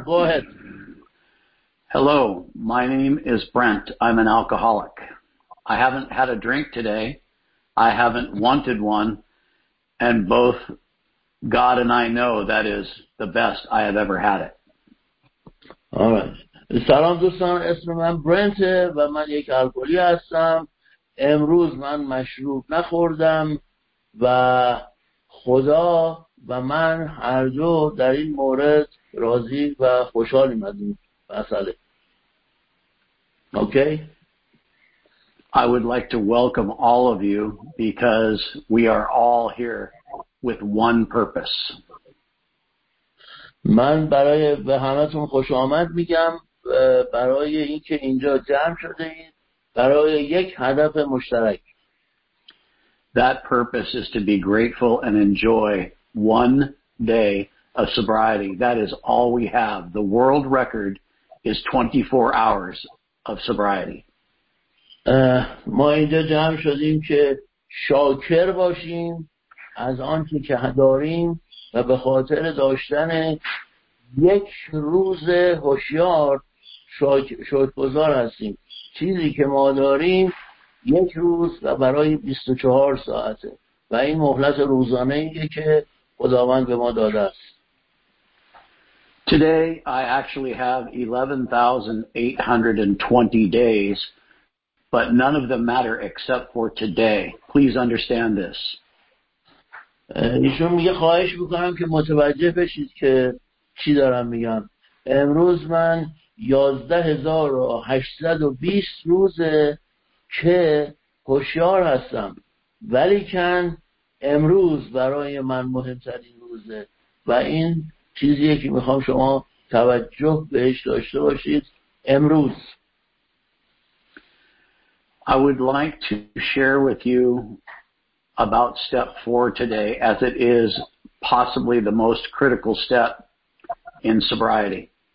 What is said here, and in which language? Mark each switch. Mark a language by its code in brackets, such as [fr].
[en] Go ahead. Hello, my name is Brent. I'm an alcoholic. I haven't had a drink today. I haven't wanted one. And both God and I know that is the best I have ever had it. All right. [fa] سلام دوستان، اسم من برنت و من یک الکلی هستم. امروز من مشروب نخوردم و خدا و من هر دو در این مورد راضی و خوشحالیم از این مسئله. [en] Okay. I would like to welcome all of you because we are all here with one purpose. [fa] من برای به همتون خوش آمد میگم، برای اینکه اینجا جمع شده اید برای یک هدف مشترک. [en] That purpose is to be grateful and enjoy one day of sobriety. That is all we have. The world record is 24 hours of sobriety. [fa] ما اینجا جمع شدیم که شاکر باشیم از آنچه که داریم و به خاطر داشتن یک روز هوشیار شکرگزار هستیم. چیزی که ما داریم یک روز و برای 24 ساعته و این مهلت روزانه ایه که خداوند به ما داده است. [en] Today I actually have 11,820 days, but none of them matter except for today. Please understand this. [fa] ایشون میگه خواهش میکنم که متوجه بشید که چی دارم میگم. امروز من 11,820 روزه که هوشیار هستم، ولیکن امروز برای من مهمترین روزه و این چیزیه که میخوام شما توجه بهش داشته باشید. امروز [en] I would like to share with you about step 4 today as it is possibly the most critical step in sobriety.